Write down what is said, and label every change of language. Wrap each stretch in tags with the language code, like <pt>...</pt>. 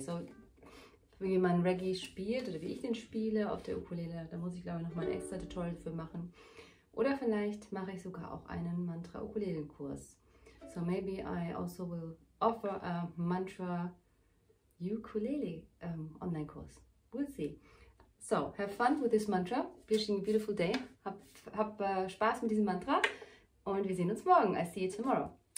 <de>So, wie man Reggae spielt oder wie ich den spiele auf der Ukulele, da muss ich glaube ich noch mal ein extra Tutorial für machen. Oder vielleicht mache ich sogar auch einen Mantra-Ukulelen-Kurs.</de> <en>So maybe I also will offer a Mantra-Ukulele Online-Kurs. We'll see. So, have fun with this mantra. Wishing a beautiful day.</en> <de>Hab Spaß mit diesem Mantra. Und wir sehen uns morgen.</de> <en>I see you tomorrow.</en>